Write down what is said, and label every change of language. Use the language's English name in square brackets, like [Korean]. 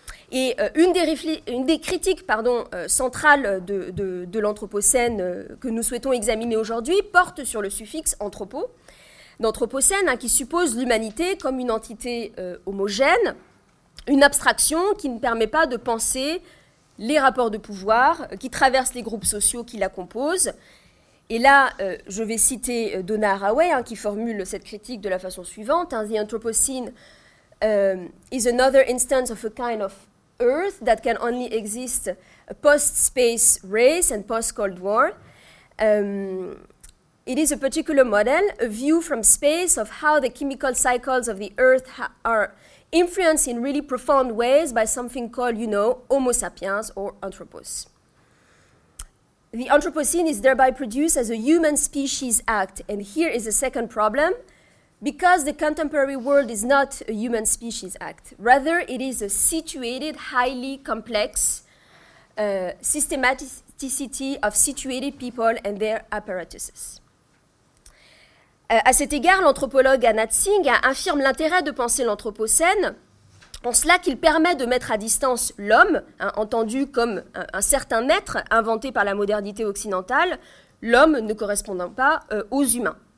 [French] Et une des critiques centrales de l'Anthropocène que nous souhaitons examiner aujourd'hui porte sur le suffixe « anthropo » d'Anthropocène, hein, qui suppose l'humanité comme une entité homogène, une abstraction qui ne permet pas de penser les rapports de pouvoir qui traversent les groupes sociaux qui la composent. Et là, je vais citer Donna Haraway, hein, qui formule cette critique de la façon suivante. [English] « The Anthropocene is another instance of a kind of Earth that can only exist post-space race and post-Cold War. It is a particular model, a view from space of how the chemical cycles of the Earth are influenced in really profound ways by something called, you know, Homo sapiens or Anthropos. The Anthropocene is thereby produced as a human species act. And here is a second problem. Because the contemporary world is not a human species act. Rather, it is a situated, highly complex systematicity of situated people and their apparatuses. [French] À cet égard, l'anthropologue Anat Singh affirme l'intérêt de penser l'Anthropocène en cela qu'il permet de mettre à distance l'homme, hein, entendu comme un certain être inventé par la modernité occidentale, l'homme ne correspondant pas aux humains.